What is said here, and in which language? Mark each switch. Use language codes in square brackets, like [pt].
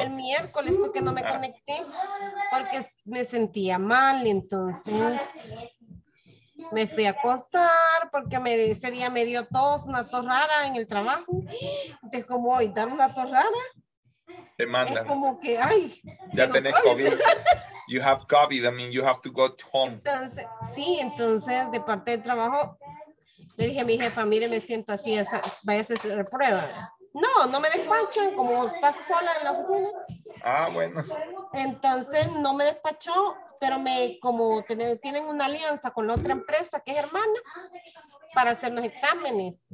[es] El miércoles fue que no me conecté porque me sentía mal, entonces me fui a acostar porque ese día me dio tos, una tos rara en el trabajo. Entonces, ¿cómo voy a dar una tos rara? Te mandan. Es como que, ay. Ya tenés COVID. [en] You have COVID, I mean, you have to go home. [es] Entonces, de parte del trabajo, le dije a mi jefa, mire, me siento así, vaya a hacer la prueba. No me despachan, como paso sola en la oficina. Ah, bueno. Entonces, no me despachó, pero tienen una alianza con la otra empresa, que es hermana, para hacer los exámenes.